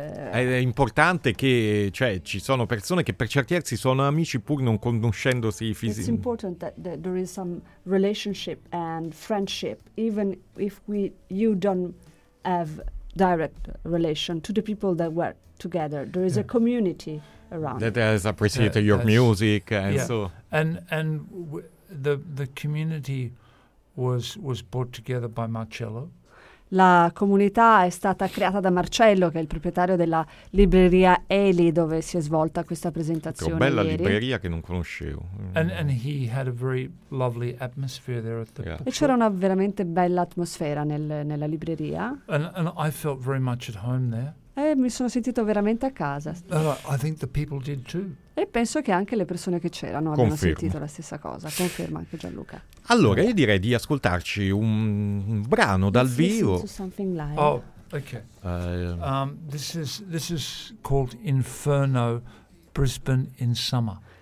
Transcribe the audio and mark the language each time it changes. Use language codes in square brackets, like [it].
[it] È importante che, cioè, ci sono persone che per certi versi sono amici pur non conoscendosi fisicamente. [en] It's important that, that there is some relationship and friendship, even if we, you don't have direct relation to the people that work together. There is a community around. That has appreciated your music and so. And the community was brought together by Marcello. [it] La comunità è stata creata da Marcello, che è il proprietario della libreria Eli, dove si è svolta questa presentazione. Una bella ieri. Libreria che non conoscevo. [en] And he had a very lovely atmosphere there at the [it] E c'era una veramente bella atmosfera nella libreria. [en] And I felt very much at home there. [it] E mi sono sentito veramente a casa. [en] I think the people did too. [it] E penso che anche le persone che c'erano abbiano sentito la stessa cosa. Conferma anche Gianluca. Allora, io direi di ascoltarci un brano dal vivo. [en] Something live. Oh, okay. This is called Inferno, Brisbane in Summer.